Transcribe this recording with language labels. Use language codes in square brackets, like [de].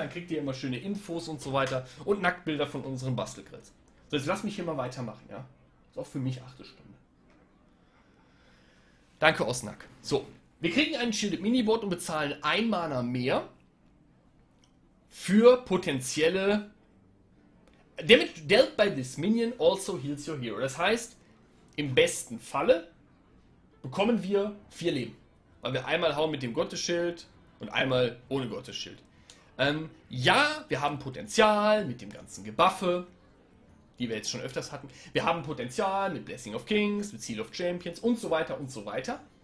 [de] Dann kriegt ihr immer schöne Infos und so weiter. Und Nacktbilder von unserem Bastelgrill. So, jetzt lass mich hier mal weitermachen, ja? Ist auch für mich 8. Stunde. Danke, Osnack. So, wir kriegen einen Shielded Miniboard und bezahlen ein Mana mehr für potenzielle... [en] Damage dealt by this minion also heals your hero. [de] Das heißt, im besten Falle bekommen wir 4 Leben. Weil wir einmal hauen mit dem Gottesschild und einmal ohne Gottesschild. Ja, wir haben Potenzial mit dem ganzen Gebuffe, die wir jetzt schon öfters hatten. Wir haben Potenzial mit Blessing of Kings, mit Seal of Champions und so weiter und so weiter.